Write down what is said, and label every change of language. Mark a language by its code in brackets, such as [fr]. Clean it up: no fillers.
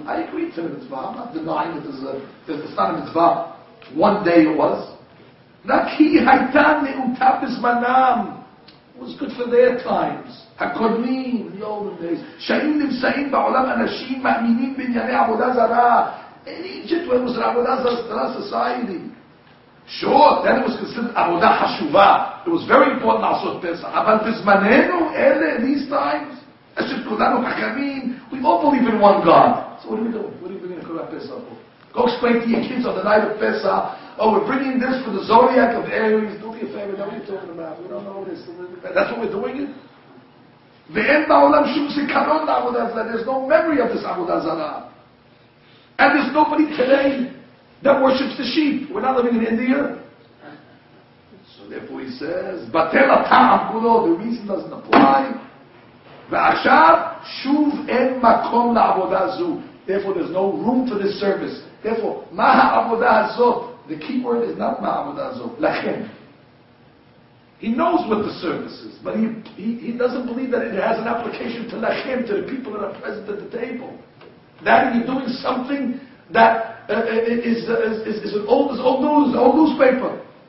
[en] I agree to המצווה, I'm not denying it as a, that it's not a מצווה. One day it was. [he] רק היא הייתה נעותה בזמנם. [en] It was good for their times. [he] הקודמים, [en] the olden days. [he] שהיו נמצאים בעולם אנשים מאמינים בענייני עבודה זרה. [en] In Egypt, when it was an עבודה זרה society. Sure, then it was considered עבודה חשובה. It was very important [he] לעשות פסח. אבל בזמננו, אלה, [en] these times, as if [he] כולנו חכמים, [en] we all believe in one God. So what are we doing? What are we bringing to Korah Pesach for? Go explain to your kids on the night of Pesach, oh, we're bringing this for the zodiac of Aries. Do me a favor, what are you talking about? We don't know this. That's what we're doing it? [he] ואין בעולם שום זיכרון לעבודה זרה. [en] There's no memory of this עבודה זרה. And there's nobody today that worships the sheep. We're not living in India. So therefore he says, [he] בטל הטעם כולו, [en] the reason doesn't apply. [he] ועכשיו, שוב אין מקום לעבודה זו. [en] Therefore there's no room for this service. Therefore, [he] מה העבודה הזאת? [en] The key word is not [he] מה העבודה הזאת, לכן. [en] He knows what the service is, but he doesn't believe that it has an application to lachem, to the people that are present at the table. That you're doing something that is an old newspaper.